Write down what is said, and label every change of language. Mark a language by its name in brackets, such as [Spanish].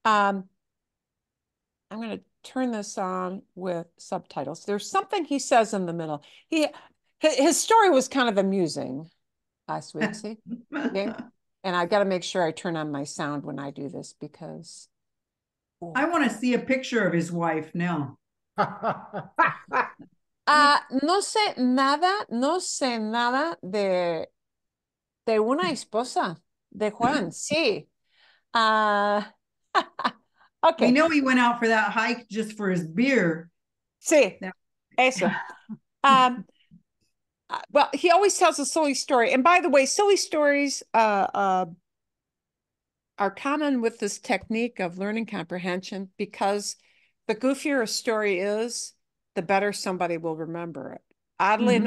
[English] I'm going to turn this on with subtitles. There's something he says in the middle. His story was kind of amusing last week, see? Okay. And I got to make sure I turn on my sound when I do this because... I want to see a picture of his wife now. [Spanish] No sé nada de una esposa de Juan, sí. [English] Okay. We know he went out for that hike just for his beer. [Spanish] Sí, eso. [English] Well, he always tells a silly story. And by the way, silly stories are common with this technique of learning comprehension because the goofier a story is, the better somebody will remember it. Oddly mm-hmm.